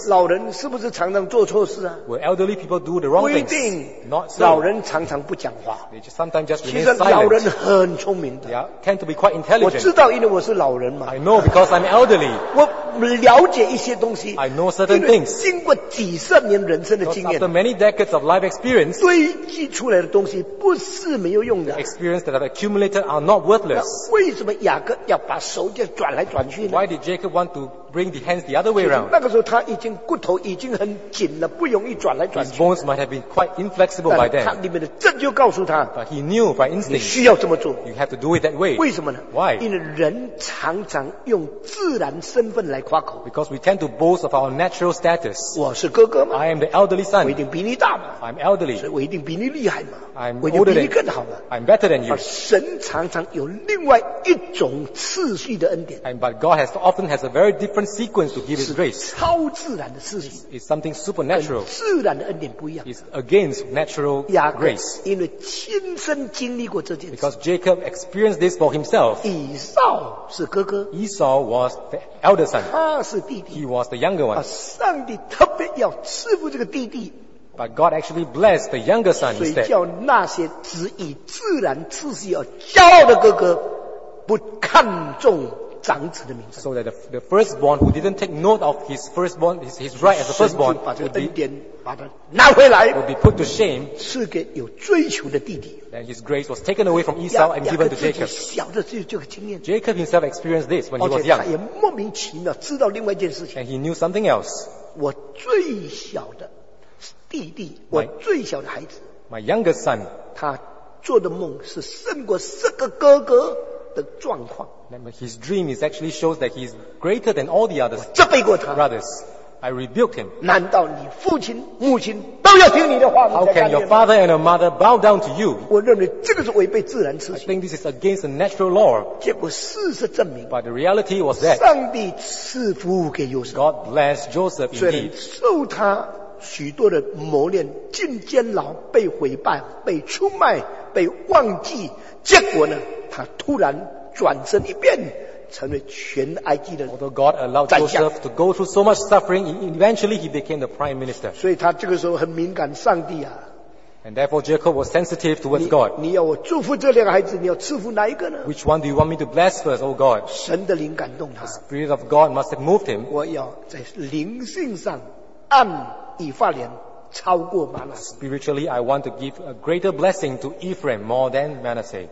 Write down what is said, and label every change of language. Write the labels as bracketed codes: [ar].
[zh] 老人是不是常常做错事啊 [en] Will elderly people do the wrong things? [zh] 不一定 [en] Not so. [zh] 老人常常不讲话 [en] They just sometimes just remain silent. [zh] 其实老人很聪明的 [en] They tend to be quite intelligent. [zh] 我知道因为我是老人嘛 [en] I know because I'm elderly. [zh] 我了解一些东西。 [en] I know certain things. [zh] 经过几十年人生的经验。 [en] Because after many decades of life experience. [zh] 堆积出来的东西不是没有用的。 [en] The experience that I've accumulated are not worthless. [zh] 那为什么雅各要把手就转来转去呢 [en] ？Why did Jacob want to bring the hands the other way around? [zh] 那个时候他已经骨头已经很紧了，不容易转来转去。 [en] His bones might have been quite inflexible by then. [zh] 但他里面的正就告诉他。 [en] But he knew by instinct. [zh] 你需要这么做。 [en] You have to do it that way. [zh] 为什么呢 [en] ？Why? [zh] 因为人常常用。自然身份来夸口 [en] Because we tend to boast of our natural status. [zh] 我是哥哥嘛 [en] I am the elderly son. [zh] 我一定比你大嘛 [en] I'm elderly. [zh] 所以我一定比你厉害嘛 [en] I'm older than you. [zh] 我一定比你更好嘛 [en] I'm better than you. [zh] 而神常常有另外一种次序的恩典 [en] But God has often has a very different sequence to give his grace. [zh] 是超自然的事情 [en] It's something supernatural. [zh] 跟自然的恩典不一样 [en] It's against natural grace. [zh] 因为亲身经历过这件事 [en] Because Jacob experienced this for himself. [zh] 以扫是哥哥 [en] Esau was the elder son. [zh] 他是弟弟。 [en] He was the younger one. [zh] 上帝特别要赐福这个弟弟。 [en] But God actually blessed the younger son instead. [zh] 所以叫那些只以自然次序而骄傲的哥哥不看重长子的名分。 [en] So that the firstborn who didn't take note of his firstborn, his right as the firstborn, [zh] 神就把这个恩典把他拿回来。 [en] Would be put to shame. [zh] 赐给有追求的弟弟。 [en] And his grace was taken away from Esau and given to Jacob. [zh] 小的就有经验。 [en] Jacob himself experienced this when he was young. [zh] 而且他也莫名其妙知道另外一件事情。 [en] And he knew something else. [zh] 我最小的弟弟，我最小的孩子。 [en] My youngest son. [zh] 他做的梦是胜过十个哥哥。的状况 [en] His dream is actually shows that he is greater than all the others. [zh] 我责备过他 [en] Brothers, I rebuked him. [zh] 难道你父亲、母亲都要听你的话吗 [en] How can your father and your mother bow down to you? [zh] 我认为这个是违背自然秩序 [en] I think this is against the natural law. [zh] 结果事实证明 [en] But the reality was that [zh] 上帝赐福给约瑟 [en] God blessed Joseph indeed. [zh] 虽然受他许多的磨练进监牢被毁败被出卖被忘记，结果呢，他突然转身一变，成为全埃及的宰相。 [en] Although God allowed Joseph to go through so much suffering, eventually he became the prime minister. [zh] 所以他这个时候很敏感，上帝啊。 [en] And therefore Jacob was sensitive towards God. [zh] 你要我祝福这两个孩子，你要赐福哪一个呢 [en] ？Which one do you want me to bless first, O God? [zh] 神的灵感动他。 [en] The spirit of God must have moved him. [zh] 我要在灵性上按以法莲。超过 [en] Spiritually, I want to give a greater blessing to Ephraim more than Manasseh.